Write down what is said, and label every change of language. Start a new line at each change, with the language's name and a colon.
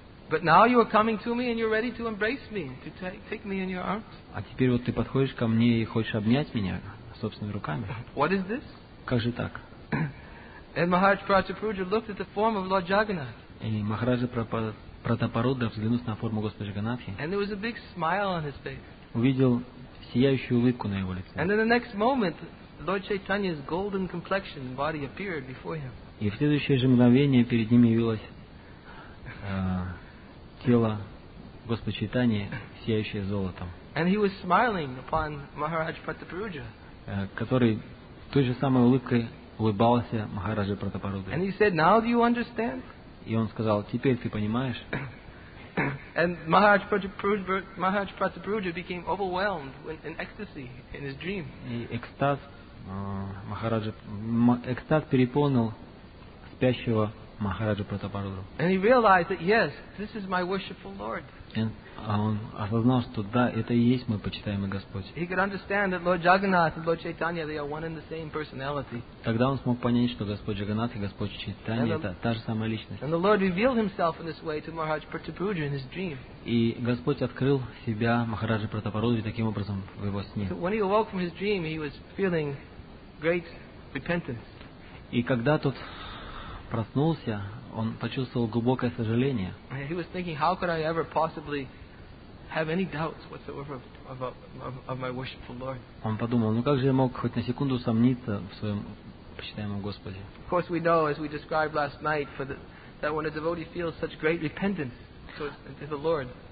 English: But now you are coming to me, and you're ready to embrace me, to take me in your arms.
Russian: А теперь вот ты подходишь ко мне и хочешь обнять меня собственными руками.
English: What is this?
Russian: Как же так?
English: And Maharaj Pratapruja looked at the form of Lord Jagannath.
Russian: И Махараджа Пратапаруджа взглянул на форму Господа Джаганнатхи.
English: And there was a big smile on his face.
Russian: Увидел сияющую улыбку на его лице.
English: And in the next moment, Lord Chaitanya's golden complexion and body appeared before him.
Russian: И в следующее же мгновение перед ним явилось тело Господа Чайтаньи, сияющее золотом.
English: And he was smiling upon Maharaj Pratapruja.
Russian: Который той же самой улыбкой улыбался Махараджа Пратапаруджа.
English: And he said, "Now do you understand?"
Russian: И он сказал, теперь ты понимаешь.
English: And Maharaj Pratapruja became overwhelmed in ecstasy in his dream.
Russian: И экстаз Махараджа экстаз переполнил спящего Махараджа Пратапаруджу.
English: And he realized that yes, this is my worshipful Lord.
Russian: А он осознал, что да, это и есть мой почитаемый Господь.
English: He could understand that Lord Jagannath and Lord Chaitanya, they are one and the same personality.
Russian: Тогда он смог понять, что Господь Джаганнат и Господь Чайтанья это та же самая личность.
English: And the Lord revealed himself in this way to Maharaj Pratapruja in his dream.
Russian: И Господь открыл себя Махараджа Пратапаруджи таким образом в его сне.
English: So when he awoke from his dream, he was feeling great repentance.
Russian: И когда тот проснулся, он почувствовал глубокое сожаление.
English: He was thinking, how could I ever possibly have any doubts whatsoever of my worshipful Lord?
Russian: Он подумал, ну как же я мог хоть на секунду сомниться в своем почитаемом Господе?
English: Of course, we know, as we described last night, for that when a devotee feels such great repentance to the Lord.